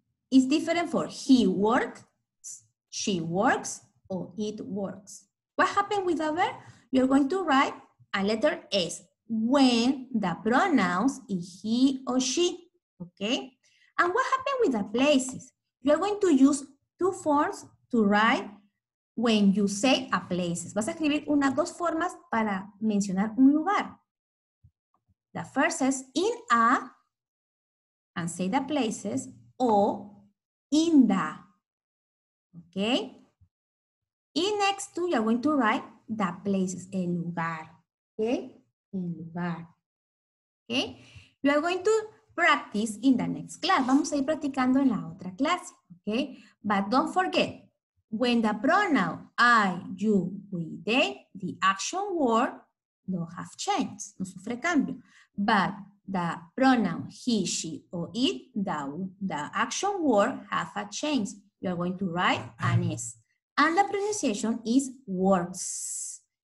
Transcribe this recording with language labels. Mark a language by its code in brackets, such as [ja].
[en] It's different for he works, she works, or it works. What happened with the verb? You're going to write a letter S when the pronouns is he or she, okay? And what happened with the places? You're going to use two forms to write when you say a places. [es] Vas a escribir unas dos formas para mencionar un lugar. [en] The first is in a and say the places, or in the, okay? In next to, you're going to write the places, el lugar, okay? El lugar, okay? You are going to practice in the next class. [es] Vamos a ir practicando en la otra clase, okay? [en] But don't forget, when the pronoun I, you, we, they, the action word don't have change, no sufre cambio. But the pronoun he, she, or it, the action word have a change. You are going to write an S. And the pronunciation is words.